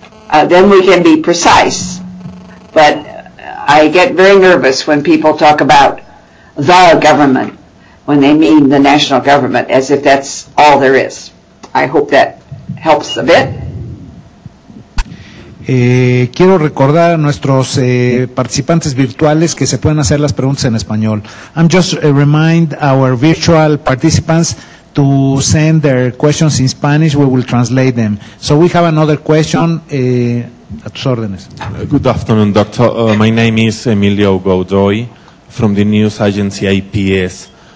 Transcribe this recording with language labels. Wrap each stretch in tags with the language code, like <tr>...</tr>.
<en>Then we can be precise. But I get very nervous when people talk about the government when they mean the national government, as if that's all there is. I hope that helps a bit.</en> <es>Quiero recordar a nuestros participantes virtuales que se pueden hacer las preguntas en español.</es> <en>I'm just remind our virtual participants to send their questions in Spanish. We will translate them. So we have another question.</en> <es>A tus órdenes.</es> <en>Good afternoon, doctor. My name is Emilio Godoy from the news agency IPS.</en>